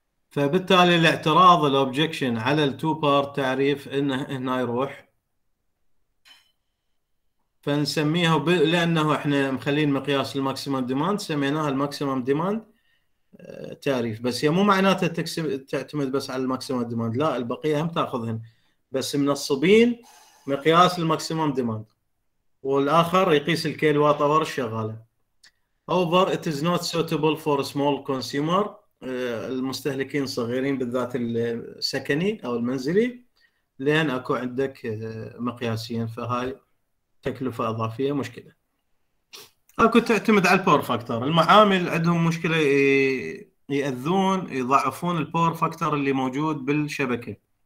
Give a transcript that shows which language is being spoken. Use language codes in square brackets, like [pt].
[ar] فبالتالي الاعتراض الاوبجكشن على التو بارت تعريف انه هنا يروح، فنسميها لانه احنا مخلين مقياس الماكسيمم ديماند سميناها الماكسيمم ديماند تعريف، بس هي مو معناتها تعتمد بس على الماكسيمم ديماند، لا البقية هم تاخذهن بس منصبين مقياس الماكسيمم ديماند والاخر يقيس الكيلوات اور الشغالة. [en] However, it is not suitable for a small consumer. [ar] المستهلكين صغيرين بالذات السكني أو المنزلي، لأن أكو عندك مقياسين فهاي تكلفة إضافية مشكلة. أكو تعتمد على الباور فاكتور، المعامل عندهم مشكلة يأذون يضعفون الباور فاكتور اللي موجود بالشبكة،